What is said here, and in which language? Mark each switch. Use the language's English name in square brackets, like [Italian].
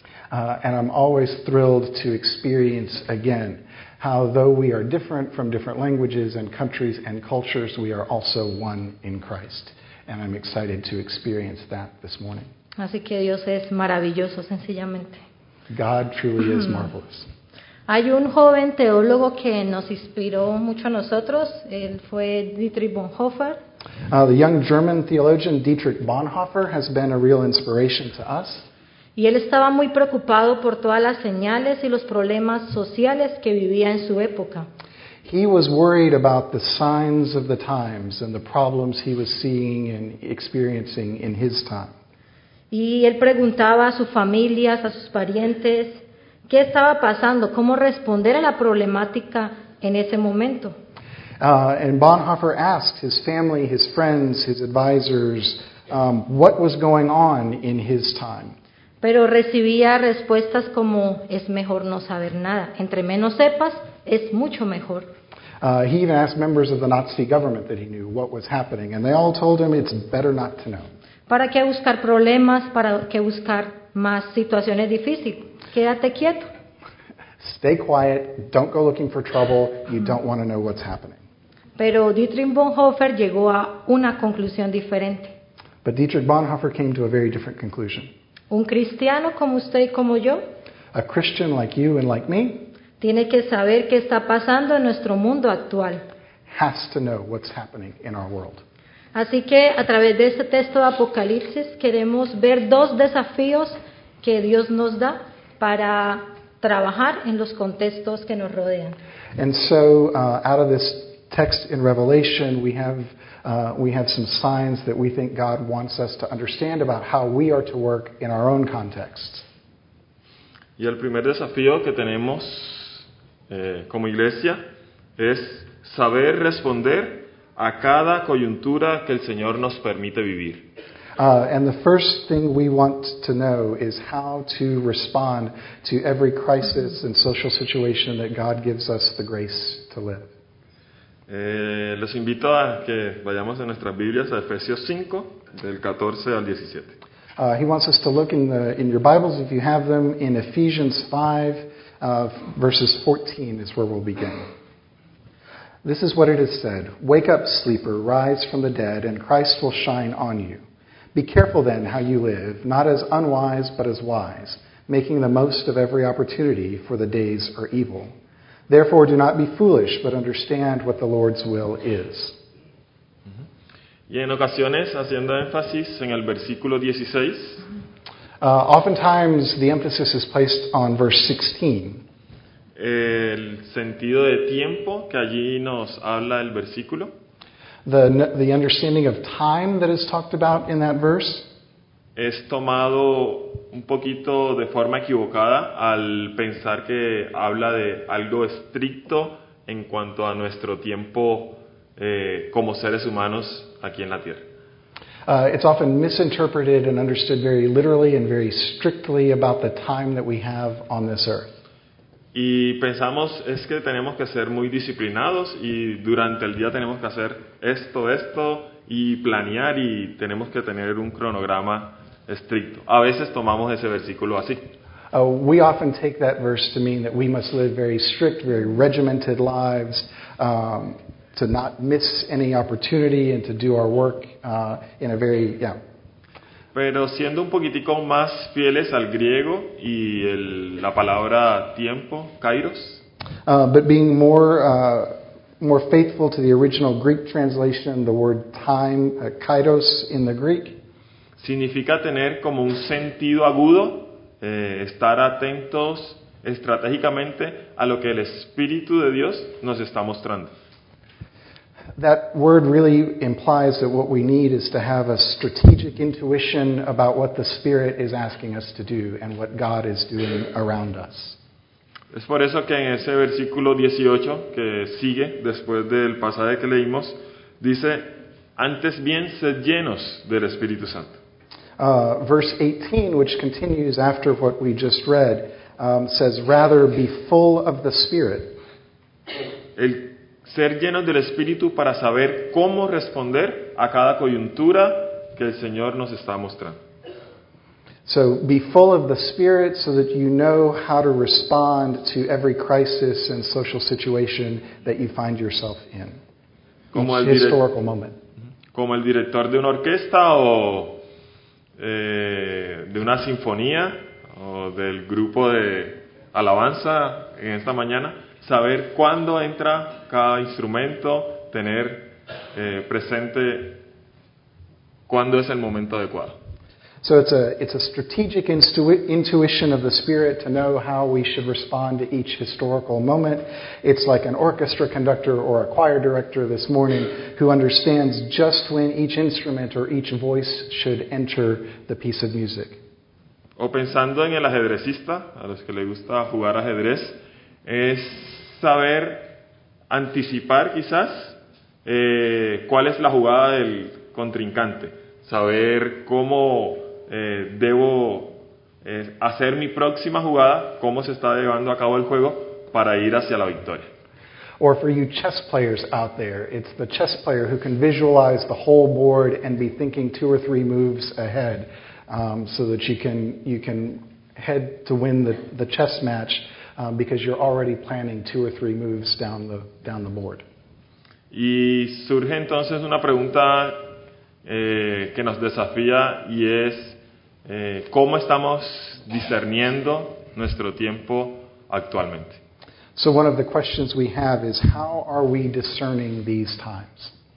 [English] And I'm always thrilled to experience again how though we are different from different languages and countries and cultures, we are also one in Christ. And I'm excited to experience that this morning. [Spanish] Así que Dios es maravilloso, sencillamente. [English] God truly is marvelous. [Spanish] Hay un joven teólogo que nos inspiró mucho a nosotros. Él fue Dietrich Bonhoeffer. [English] The young German theologian Dietrich Bonhoeffer has been a real inspiration to us. [Spanish] Y él estaba muy preocupado por todas las señales y los problemas sociales que vivía en su época. [English] He was worried about the signs of the times and the problems he was seeing and experiencing in his time. [Spanish] Y él preguntaba a sus familias, a sus parientes, ¿qué estaba pasando? ¿Cómo responder a la problemática en ese momento? [English] And Bonhoeffer asked his family, his friends, his advisors, what was going on in his time. [Spanish] Pero recibía respuestas como, es mejor no saber nada. Entre menos sepas, es mucho mejor. [English] He even asked members of the Nazi government that he knew what was happening. And they all told him, it's better not to know. [Spanish] ¿Para qué buscar problemas? ¿Para qué buscar más situaciones difíciles? Quédate quieto. [English] Stay quiet. Don't go looking for trouble. You don't want to know what's happening. [Spanish] Pero Dietrich Bonhoeffer llegó a una conclusión diferente. [English] But Dietrich Bonhoeffer came to a very different conclusion. [Spanish] Un cristiano como usted y como yo. [English] A Christian like you and like me. [Spanish] Tiene que saber qué está pasando en nuestro mundo actual. [English] Has to know what's happening in our world. [Spanish] Así que a través de este texto de Apocalipsis queremos ver dos desafíos que Dios nos da para trabajar en los contextos que nos rodean. [English] And so out of this text in Revelation, we have some signs that we think God wants us to understand about how we are to work in our own context. [Spanish] Y el primer desafío que tenemos como iglesia es saber responder a cada coyuntura que el Señor nos permite vivir. [English] And the first thing we want to know is how to respond to every crisis and social situation that God gives us the grace to live. [Spanish] Les invito a que vayamos en nuestras Biblias a Efesios 5, del 14 al 17. [English] He wants us to look in your Bibles, if you have them, in Ephesians 5, verses 14 is where we'll begin. This is what it is said: "Wake up, sleeper, rise from the dead, and Christ will shine on you. Be careful then how you live, not as unwise, but as wise, making the most of every opportunity, for the days are evil. Therefore, do not be foolish, but understand what the Lord's will is." [Spanish] Y en ocasiones, haciendo énfasis en el versículo 16. [English] Oftentimes, the emphasis is placed on verse 16. [Spanish] El sentido de tiempo que allí nos habla el versículo. [English] The understanding of time that is talked about in that verse [Spanish] es tomado un poquito de forma equivocada al pensar que habla de algo estricto en cuanto a nuestro tiempo como seres humanos aquí en la tierra. [English] It's often misinterpreted and understood very literally and very strictly about the time that we have on this earth. [Spanish] Y pensamos es que tenemos que ser muy disciplinados y durante el día tenemos que hacer esto y planear y tenemos que tener un cronograma estricto. A veces tomamos ese versículo así. [English] We often take that verse to mean that we must live very strict, very regimented lives, to not miss any opportunity and to do our work in a very, yeah. [Spanish] Pero siendo un poquitico más fieles al griego y la palabra tiempo, kairos. [English] But being more faithful to the original Greek translation, the word time, kairos in the Greek. [Spanish] Significa tener como un sentido agudo, estar atentos estratégicamente a lo que el Espíritu de Dios nos está mostrando. [English] That word really implies that what we need is to have a strategic intuition about what the Spirit is asking us to do and what God is doing around us. [Spanish] Es por eso que en ese versículo 18 que sigue después del pasaje que leímos dice: "Antes bien sed llenos del Espíritu Santo." [English] Verse 18, which continues after what we just read, says, "Rather be full of the Spirit." [Spanish] Ser llenos del Espíritu para saber cómo responder a cada coyuntura que el Señor nos está mostrando. [English] So be full of the Spirit so that you know how to respond to every crisis and social situation that you find yourself in. [Spanish] Como [English] each historical moment. [Spanish] Como el director de una orquesta o de una sinfonía o del grupo de alabanza en esta mañana. Saber cuándo entra cada instrumento, tener presente cuándo es el momento adecuado. [English] So it's a strategic intuition of the Spirit to know how we should respond to each historical moment. It's like an orchestra conductor or a choir director this morning who understands just when each instrument or each voice should enter the piece of music. O pensando en el ajedrecista, a los que le gusta jugar ajedrez, es saber anticipar quizás cuál es la jugada del contrincante, saber cómo debo hacer mi próxima jugada, cómo se está llevando a cabo el juego para ir hacia la victoria. Or for you chess players out there, it's the chess player who can visualize the whole board and be thinking two or three moves ahead, so that you can head to win the chess match. Because you're already planning two or three moves down the board. [Spanish] Y surge entonces una pregunta que nos desafía y es ¿cómo estamos discerniendo nuestro tiempo actualmente? [English] So one of the questions we have is how are we discerning these times?